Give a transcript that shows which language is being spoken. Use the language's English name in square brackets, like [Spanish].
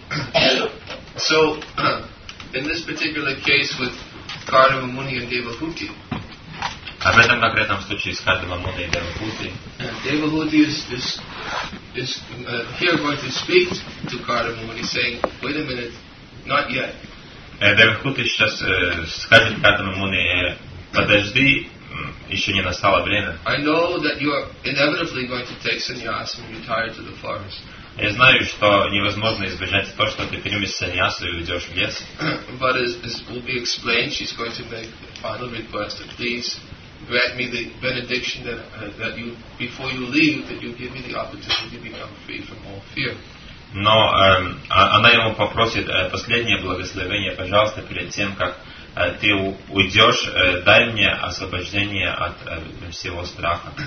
[English] So, in this particular case with Karna Muni and Devahuti. [Russian] А в этом конкретном случае с Карна Муни и Девахути. [English] Devahuti is here going to speak to Karna Muni, saying, "Wait a minute." Not yet. [Russian] Девахути сейчас скажет Карна Муни, подожди, еще не настало время. [English] I know that you are inevitably going to take sannyas and retire to the forest. [Russian] Я знаю, что невозможно избежать то, что ты примешь саньясу и уйдешь в лес. [English] But as will be explained, she's going to make the final request. Please grant me the benediction that you, before you leave, that you give me the opportunity to become free from all fear. [Russian] Но она ему попросит последнее благословение, пожалуйста, перед тем, как ты уйдешь, дай мне освобождение от всего страха.